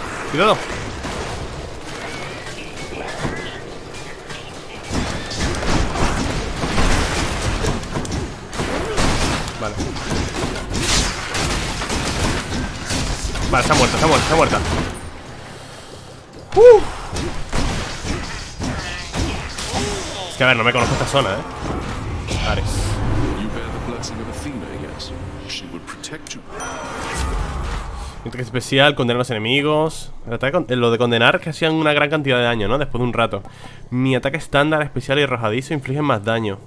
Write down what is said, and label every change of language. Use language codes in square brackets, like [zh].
[es] ¡Cuidado! Vale, está muerta, está muerta, está muerta. Es que a ver, no me conozco esta zona, eh. Ares. [en] You bear the blessing of Athena, yes. She will protect you. [es] Un ataque especial, condenar a los enemigos. El ataque con, lo de condenar que hacían una gran cantidad de daño, ¿no? Después de un rato. Mi ataque estándar, especial y arrojadizo infligen más daño.